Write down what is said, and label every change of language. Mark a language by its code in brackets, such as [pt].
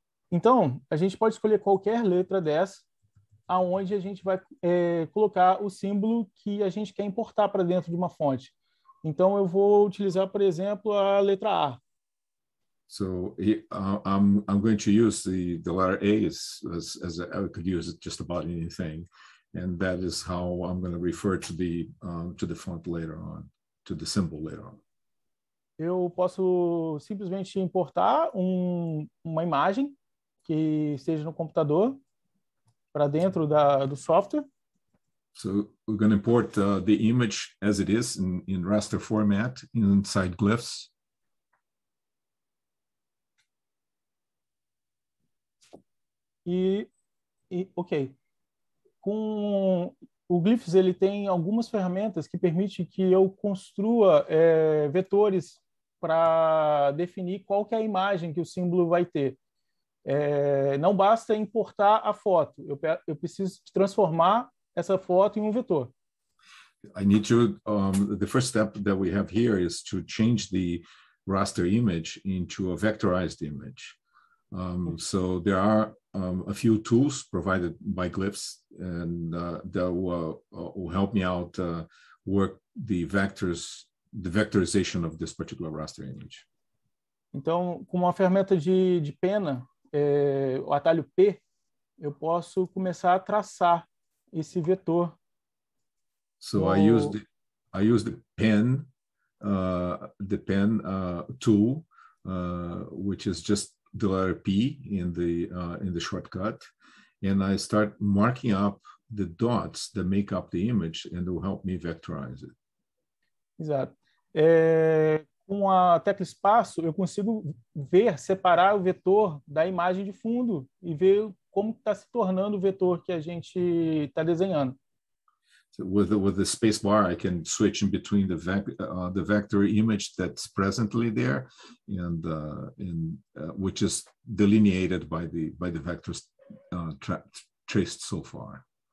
[pt] Então, a gente pode escolher qualquer letra dessa, aonde a gente vai colocar o símbolo que a gente quer importar para dentro de uma fonte. Então, eu vou utilizar, por exemplo, a letra A. [en] So I'm going to use the letter A as I could use it just about anything, and that is how I'm going to refer to the font later on, to the symbol later on. [pt] Eu posso simplesmente importar uma imagem que esteja no computador para dentro do software. [en] So we're going to import the image as it is in raster format inside Glyphs. Okay. [pt] Com o Glyphs, ele tem algumas ferramentas que permite que eu construa vetores para definir qual que é a imagem que o símbolo vai ter. não basta importar a foto, eu preciso transformar essa foto em um vetor. [en] I need to, the first step that we have here is to change the raster image into a vectorized image. So there are a few tools provided by Glyphs and that will help me out work the vectors, the vectorization of this particular raster image. [pt] Então, com uma ferramenta de pena, o atalho P, eu posso começar a traçar esse vetor. [en] So no... I use the pen, tool, which is just the letter P in the shortcut, and I start marking up the dots that make up the image and will help me vectorize it. [pt] Exato. Com a tecla espaço, eu consigo ver, separar o vetor da imagem de fundo e ver como está se tornando o vetor que a gente está desenhando. [en] So with the space bar, I can switch in between the vector image that's presently there, and which is delineated by the vectors traced so far.